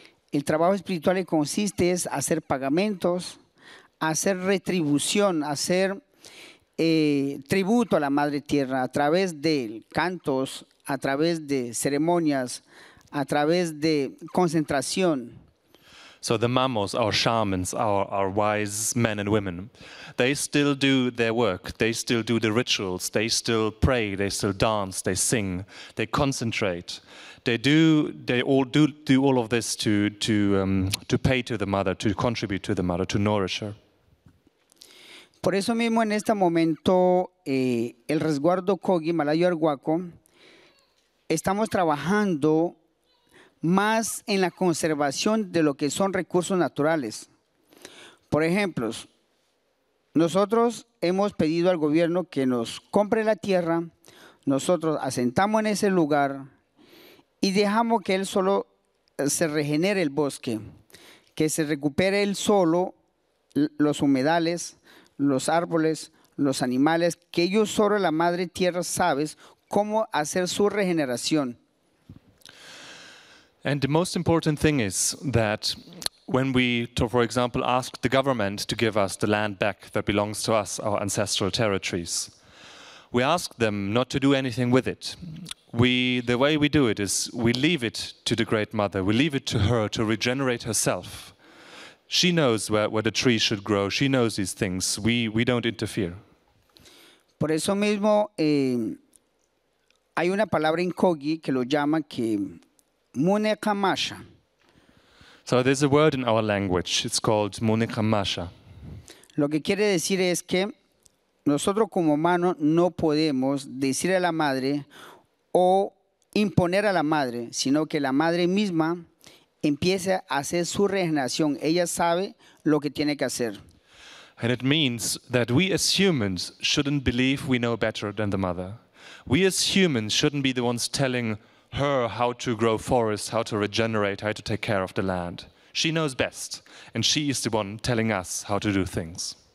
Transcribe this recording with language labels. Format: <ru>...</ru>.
<es>El trabajo espiritual consiste en hacer pagamentos, hacer retribución, hacer tributo a la Madre Tierra a través de cantos, a través de ceremonias, a través de concentración.</es> <en>So the mamos, our shamans, our wise men and women, they still do their work, they still do the rituals, they still pray, they still dance, they sing, they concentrate. They all do all of this to pay to the mother, to contribute to the mother, to nourish her.</en> <es>Por eso mismo en este momento, el resguardo Kogi, Malayo Arhuaco, estamos trabajando más en la conservación de lo que son recursos naturales. Por ejemplo, nosotros hemos pedido al gobierno que nos compre la tierra, nosotros asentamos en ese lugar y dejamos que él solo se regenere el bosque, que se recupere él solo los humedales, los árboles, los animales, que ellos solo la madre tierra sabe cómo hacer su regeneración.</es> <en>And the most important thing is that when we, for example, ask the government to give us the land back that belongs to us, our ancestral territories, we ask them not to do anything with it. The way we do it is we leave it to the Great Mother, we leave it to her to regenerate herself. She knows where the tree should grow, she knows these things, we don't interfere.</en> <es>Por eso mismo, hay una palabra en Kogi que lo llama que Munekamasha.</es> <en>So there's a word in our language. It's called Munekamasha.</en> <es>Lo que quiere decir es que nosotros como humanos no podemos decir a la madre o imponer a la madre, sino que la madre misma empiece a hacer su regeneración. Ella sabe lo que tiene que hacer.</es> <en>And it means that we as humans shouldn't believe we know better than the mother. We as humans shouldn't be the ones telling her how to grow forests, how to regenerate, how to take care of the land. She knows best, and she is the one telling us how to do things.</en>